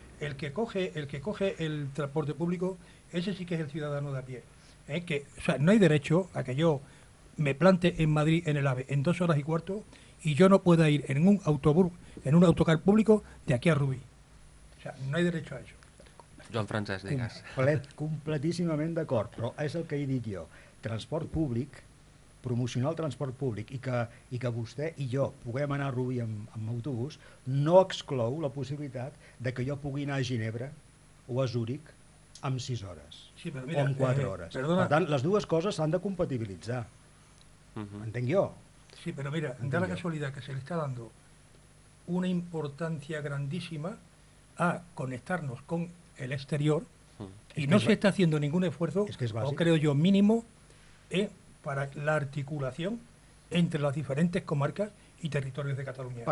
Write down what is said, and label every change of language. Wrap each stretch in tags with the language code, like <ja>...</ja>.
<es>El que coge el transporte público, ese sí que es el ciudadano de a pie. Que, o sea, no hay derecho a que yo me plante en Madrid en el AVE en 2 horas y cuarto y yo no pueda ir en un autobús, en un autocar público de aquí a Rubí. O sea, no hay derecho a eso.</es> <ca>Joan Francesc, digues. Completíssimament d'acord, però és el que he dit jo. Transport públic, promocionar el transport públic i que vostè i jo puguem anar a Rubí amb autobús, no exclou la possibilitat de que jo pugui anar a Ginebra o a Zúric amb 6 hores sí, però mira, o amb 4 hores. Perdona. Per tant, les dues coses s'han de compatibilitzar. Uh-huh. Entenc jo. Sí, però mira, de la casualitat</ca> <es>que se li està dando una importancia grandísima a conectarnos con el exterior y no se está haciendo ningún esfuerzo, o creo yo mínimo, para la articulación entre las diferentes comarcas y territorios de Cataluña.</es>